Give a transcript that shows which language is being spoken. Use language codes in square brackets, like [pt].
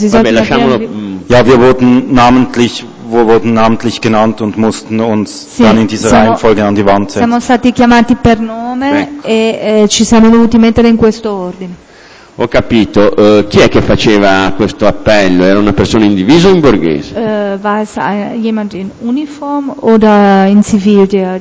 [de] Ja, wir wurden namentlich, genannt und mussten uns sì, dann in dieser Reihenfolge an die Wand setzen. [it] Siamo stati chiamati per nome, ecco. E ci siamo dovuti mettere in questo ordine. Ho capito, chi è che faceva questo appello? Era una persona in divisa o in borghese? [de] War es jemand in uniform oder in civil der